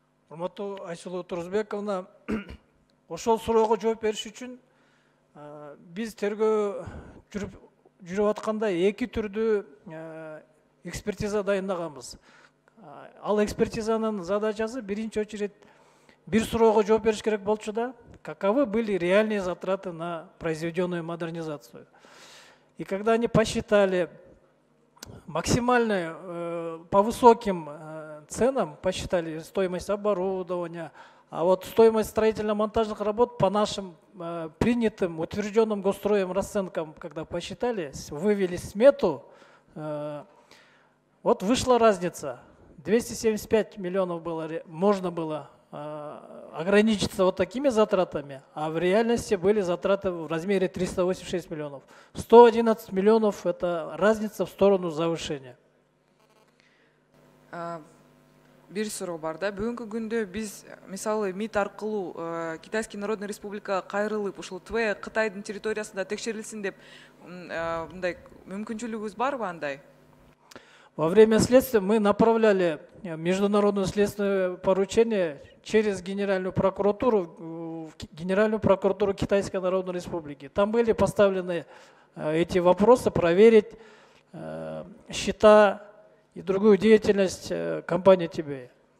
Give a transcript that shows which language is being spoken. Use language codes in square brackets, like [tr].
[ky] Урматтуу Айсулуу Турсбековна, ошол суроого жооп бериш үчүн биз тергөө жүрүп атканда эки түрдүү экспертиза дайындаганбыз. Ал экспертизанын задачасы биринчи очередь бир суроого жооп бериш керек болчу да, каковы были реальные затраты на произведенную модернизацию. [ru] И когда они посчитали максимально по высоким ценам, посчитали стоимость оборудования, а вот стоимость строительно-монтажных работ по нашим принятым, утвержденным госстроем расценкам, когда посчитали, вывели смету, вот вышла разница. 275 миллионов было, можно было ограничиться вот такими затратами, а в реальности были затраты в размере 386 миллионов. 111 миллионов – это разница в сторону завышения. [ky] Бир суроо бар да. Бүгүнкү күндө биз, мисалы, МИД аркылуу Китайский Народный Республика кайрылып, ушул ТВЭ Кытайдын территориясында текшерилсин деп, мындай мүмкүнчүлүгүбүз барбы андай? [ru] Во время следствия мы направляли международное следственное поручение через Генеральную прокуратуру, в Генеральную прокуратуру Китайской Народной Республики. Там были поставлены эти вопросы, проверить счета и другую деятельность компании ТБЭ.